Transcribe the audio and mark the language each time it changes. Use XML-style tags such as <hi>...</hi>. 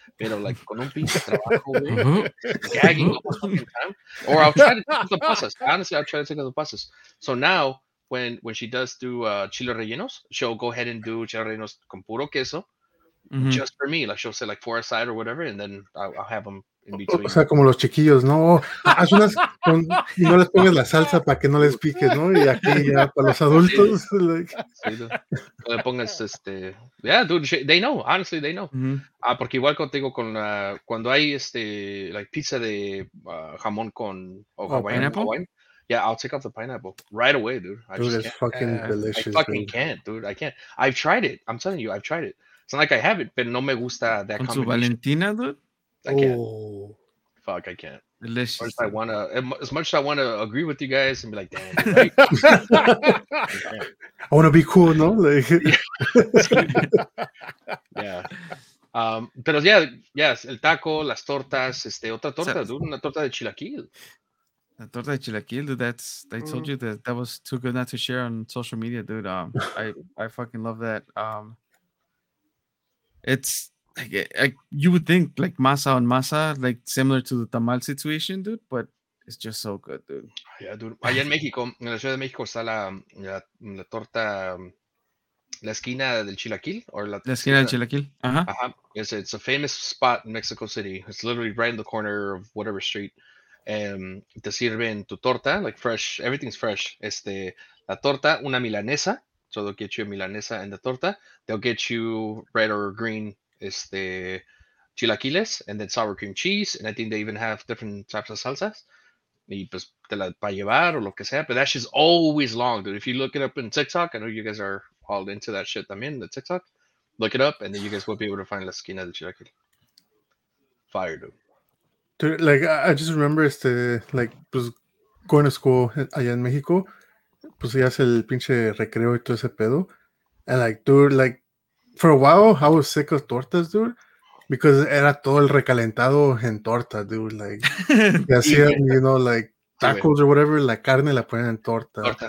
<es>Pero like con un pinche trabajo, gagging all the fucking time.</es> <en>Or I'll try to take the pasas. Honestly, I'll try to take the pasas. So now, when she does do chile rellenos, she'll go ahead and do chile rellenos con puro queso, mm-hmm. just for me. Like she'll say like four aside or whatever, and then I'll have them in between.</en> <es>O sea, como los chiquillos, ¿no? Haz unas con, y no les pongas la salsa para que no les pique, ¿no? Y aquí ya para los adultos. Sí. Like. Sí,</es> <en>no. No le pongas este... Yeah, dude, they know. Honestly, they know. Mm-hmm.</en> <es>Porque igual contigo con la... Cuando hay este... Like pizza de jamón con...</es> <en>Pineapple? Yeah, I'll take off the pineapple right away, dude. Dude, it's fucking delicious. I fucking can't, dude. I can't. I've tried it. I'm telling you, I've tried it. It's not like I have it, but no me gusta that combination.</en> <es>Con su Valentina, dude?</es> <en>I can't. Fuck, I can't. Delicious. As much as I want to agree with you guys and be like, damn, right? I want to be cool, no? Like... yeah.</en> <es>Pero yeah, yes, el taco, las tortas, otra torta, dude, una torta de chilaquil.</es> <en>The torta de chilaquil, dude, that's, I told you that was too good not to share on social media, dude. I fucking love that. It's like you would think like masa on masa, like similar to the tamal situation, dude, but it's just so good, dude. Yeah, dude.</en> <es>Allá en México, en la Ciudad de México está la torta, la esquina del chilaquil, or la esquina del chilaquil.</es> <en>Yes, it's a famous spot in Mexico City. It's literally right in the corner of whatever street.</en> <es>Te sirven tu torta, like fresh, everything's fresh. La torta, una milanesa, so they'll get you a milanesa and the torta.</es> <en>They'll get you red or green, chilaquiles, and then sour cream cheese. And I think they even have different types of salsas. Y pues te la pa llevar o lo que sea. But that shit's always long, dude. If you look it up in TikTok, I know you guys are all into that shit también, the TikTok. Look it up, and then you guys will be able to find la esquina del chilaquil. Fire, dude.</en> <es>Dude, like, I just remember, pues, going to school allá en México, pues, ya es el pinche recreo y todo ese pedo.</es> <en>And, like, dude, like, for a while, I was sick of tortas, dude, because era todo el recalentado en torta, dude, like, y hacían, you know, like, tacos or whatever, la carne la ponían en torta.</en>